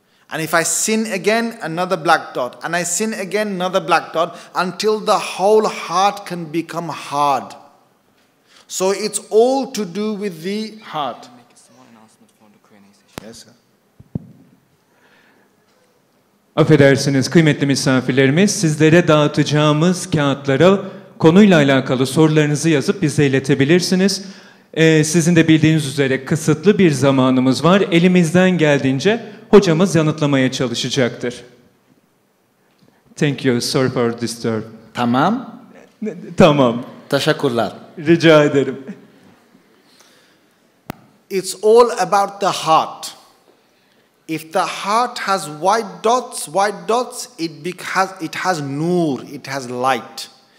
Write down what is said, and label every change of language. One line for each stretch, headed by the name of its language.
English: And if I sin again, another black dot. And I sin again, another black dot, until the whole heart can become hard. So it's all to do with the heart. Make a small announcement for the Q&A session. Yes, sir.
Turkish: Affedersiniz, kıymetli misafirlerimiz, sizlere dağıtacağımız kağıtlara konuyla alakalı sorularınızı yazıp bize iletebilirsiniz. Sizin de bildiğiniz üzere kısıtlı bir zamanımız var. Elimizden geldiğince hocamız yanıtlamaya çalışacaktır.
English: Thank you, sorry for disturb.
Turkish: Tamam. Tamam. Teşekkürler. Rica ederim.
English: It's all about the heart. If the heart has white dots, it has nur, it has light.